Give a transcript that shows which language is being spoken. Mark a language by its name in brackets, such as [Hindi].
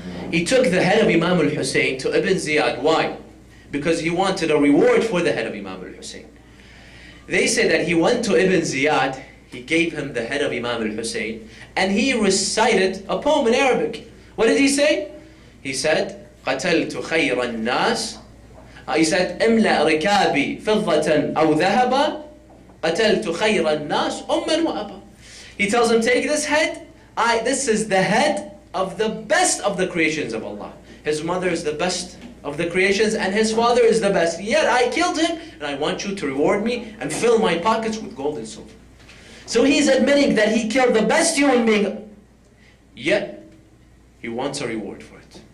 [English] He took the head of Imam al-Hussein to Ibn Ziyad. Why? Because he wanted a reward for the head of Imam al-Hussein. They say that he went to Ibn Ziyad, he gave him the head of Imam al-Hussein, and he recited a poem in Arabic. What did he say? He said, [Arabic] قَتَلْتُ خَيْرَ النَّاسِ He said, إِمْلَأْ رِكَابِي فِضَّةً أَوْ ذَهَبًا قَتَلْتُ خَيْرَ النَّاسِ أُمًّا وَأَبًا [English] He tells him, take this head. This is the head of the best of the creations of Allah. His mother is the best of the creations and his father is the best. Yet I killed him and I want you to reward me and fill my pockets with gold and silver. So he's admitting that he killed the best human being, yet he wants a reward for it.